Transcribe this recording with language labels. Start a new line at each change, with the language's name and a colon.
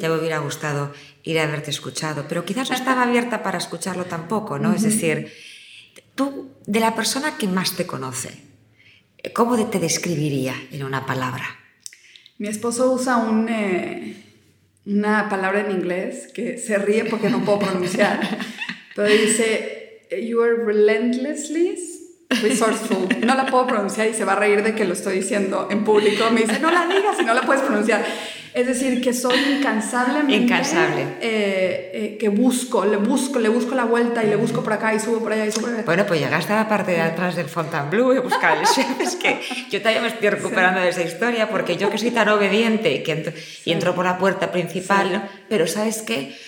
Spanish: Ya me hubiera gustado ir a haberte escuchado, pero quizás no estaba abierta para escucharlo tampoco, ¿no? Es decir, tú, de la persona que más te conoce, ¿cómo te describiría en una palabra? Mi esposo usa una palabra en inglés que se ríe porque no puedo pronunciar. Pero dice,
English: you are relentlessly resourceful.
Spanish: No la puedo pronunciar y se va a reír de que lo estoy diciendo en público. Me dice, no la digas y no la puedes pronunciar. Es decir, que soy incansablemente... Incansable. Que busco, le busco la vuelta y le busco por acá y subo por allá y subo por allá. Bueno, pues llegaste a la parte de atrás del Fontainebleau y buscarle. Es que yo todavía me estoy recuperando de esa historia porque yo que soy tan obediente que y entro por la puerta principal, ¿no? Pero ¿sabes qué?